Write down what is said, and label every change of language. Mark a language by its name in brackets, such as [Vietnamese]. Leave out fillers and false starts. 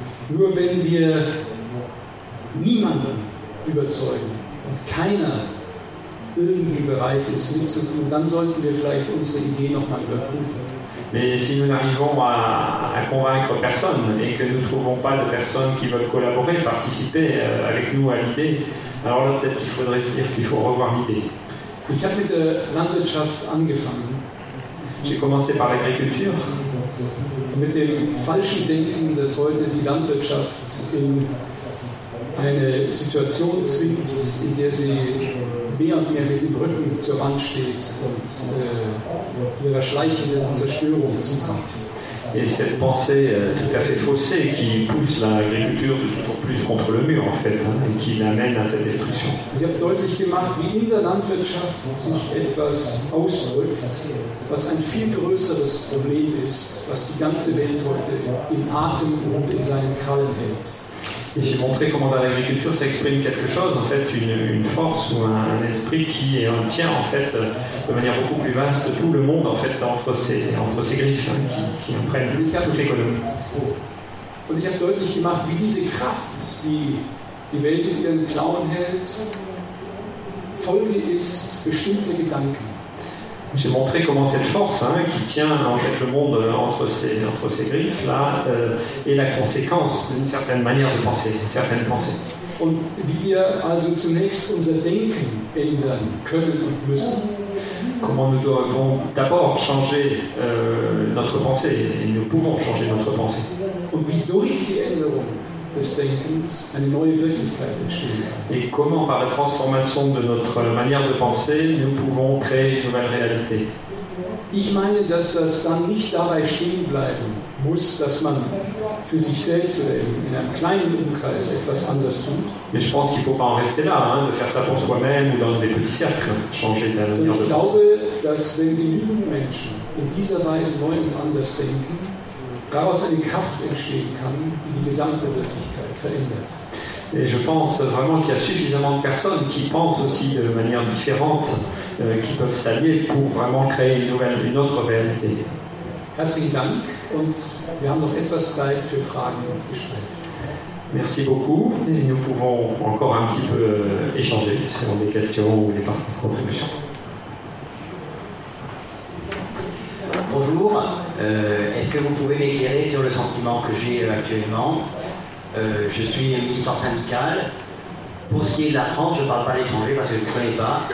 [German] Nur wenn wir niemanden überzeugen und keiner irgendwie bereit ist mitzutun, dann sollten wir vielleicht unsere Idee nochmal überprüfen. [French] Mais si nous n'arrivons à convaincre personne et que nous ne trouvons pas de personnes qui veulent collaborer, participer avec nous à l'idée, alors là peut-être qu'il faudrait se dire qu'il faut revoir l'idée. [German] Ich habe mit der Landwirtschaft angefangen. [French] J'ai commencé par l'agriculture. [German] Mit dem falschen Denken, dass heute die Landwirtschaft in eine Situation zwingt, in der sie mehr und mehr mit dem Rücken zur Wand steht und ihrer schleichenden Zerstörung zukommt. [French] Et cette pensée tout à fait faussée qui pousse l'agriculture de toujours plus contre le mur, en fait, hein, et qui l'amène à cette destruction. [German] Ich habe deutlich gemacht, wie in der Landwirtschaft sich etwas ausdrückt, was ein viel größeres Problem ist, was die ganze Welt heute in Atem und in seinen Krallen hält. [French] Et j'ai montré comment dans l'agriculture s'exprime quelque chose, en fait, une force ou un esprit qui tient, en fait, de manière beaucoup plus vaste tout le monde, en fait, entre ses griffes, hein, qui en prennent toute l'économie. [German] Und ich habe deutlich gemacht, wie diese Kraft, die die Welt in ihren Klauen hält, Folge ist bestimmter Gedanken. [French] J'ai montré comment cette force, hein, qui tient en fait le monde entre ses griffes là, est la conséquence d'une certaine manière de penser, certaines pensées. [German] Und wir also zunächst unser Denken ändern können und müssen. [French] Comment nous devons d'abord changer notre pensée, et nous pouvons changer notre pensée. [German] Und wie durch die Änderung des Denkens eine neue Wirklichkeit entstehen. [French] Et comment par la transformation de notre manière de penser nous pouvons créer une nouvelle réalité? [German] Ich meine, dass das dann nicht dabei stehen bleiben muss, dass man für sich selbst in einem kleinen Umkreis etwas anders tut. [French] Mais je pense qu'il ne faut pas en rester là, hein, de faire ça pour soi-même ou dans des petits cercles, changer de manière de penser. [German] Ich glaube, dass wenn genügend Menschen in dieser Weise neu und anders denken, daraus eine Kraft entstehen kann, die die gesamte Wirklichkeit verändert. [French] Et je pense vraiment qu'il y a suffisamment de personnes qui pensent aussi de manière différente, qui peuvent s'allier pour vraiment créer une autre réalité. [German] Herzlichen Dank und wir haben noch etwas Zeit für Fragen und Gespräche. [French] Merci beaucoup et nous pouvons encore un petit peu échanger sur des questions ou des contributions. Bonjour, est-ce que vous pouvez m'éclairer sur le sentiment que j'ai actuellement? Je suis militant syndical. Pour ce qui est de la France, je ne parle pas d'étranger parce que je ne connais pas.